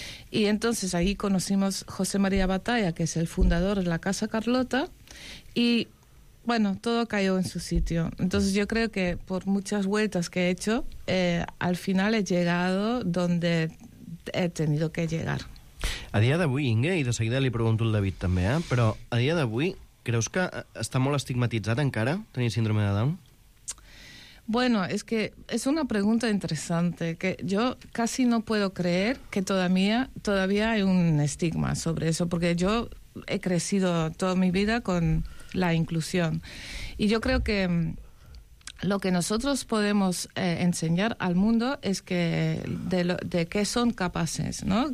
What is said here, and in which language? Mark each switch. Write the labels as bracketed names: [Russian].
[Spanish] Y entonces ahí conocimos José María Batalla, que es el fundador de la Casa Carlota, y bueno, todo cayó en su sitio. Entonces yo creo que por muchas vueltas que he hecho, al final he llegado donde he tenido que llegar. [Catalan] A dia d'avui, Inge, i de seguida li pregunto al David també, però a dia d'avui creus que està molt estigmatitzat encara tenir síndrome de Down? [Spanish] Bueno, es que es una pregunta interesante, que yo casi no puedo creer que todavía hay un estigma sobre eso, porque yo he crecido toda mi vida con la inclusión. Y yo creo que lo que nosotros podemos enseñar al mundo es que de qué son capaces, ¿no?